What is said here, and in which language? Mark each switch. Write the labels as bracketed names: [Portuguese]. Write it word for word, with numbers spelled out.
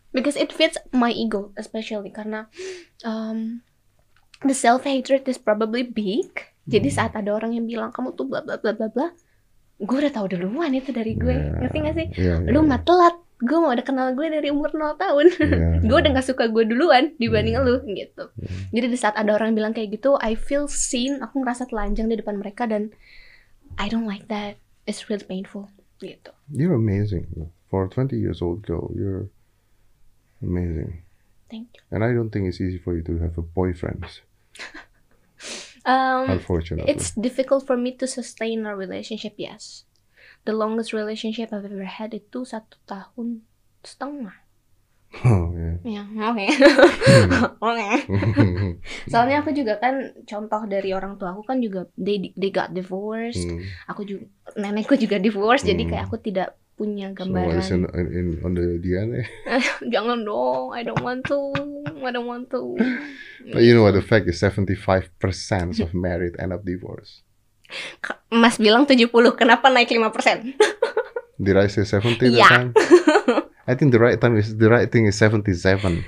[English] Because it fits my ego, especially karena um, the self-hatred is probably big. Hmm. [Indonesian] Jadi saat ada orang yang bilang kamu tuh bla bla bla bla bla, gue udah tahu duluan itu dari gue. Yeah. Ngerti nggak sih? [English] Yeah, yeah, [Indonesian] lu mah telat. Gue mau udah kenal gue dari umur nol tahun. Yeah. Gue udah gak suka gue duluan dibanding yeah. lu gitu. Yeah. Jadi di saat ada orang bilang kayak gitu, [English] I feel seen, [Indonesian] aku ngerasa telanjang di depan mereka dan [English] I don't like that. It's really painful gitu. You're amazing. For a twenty years old girl, you're amazing. Thank you. And I don't think it's easy for you to have a boyfriend. um, Unfortunately. It's difficult for me to sustain a relationship, yes. The longest relationship I've ever had [Indonesian] itu satu tahun setengah. Oh ya. Ya, oke. Oke. Soalnya aku juga kan contoh dari orang tua aku kan juga [English] they they got divorced. [Indonesian] Mm. Aku juga nenekku juga divorced, mm. jadi kayak aku tidak punya gambaran. [English] So what is in, in, on the D N A? [Indonesian] Jangan dong, [English] I don't want to, I don't want to. But you know what the fact is, seventy-five percent of married end up divorced. [Indonesian] Mas bilang tujuh puluh, kenapa naik lima persen? [English] Did I say seventy the yeah. time? I think the right time is the right thing is seventy-seven.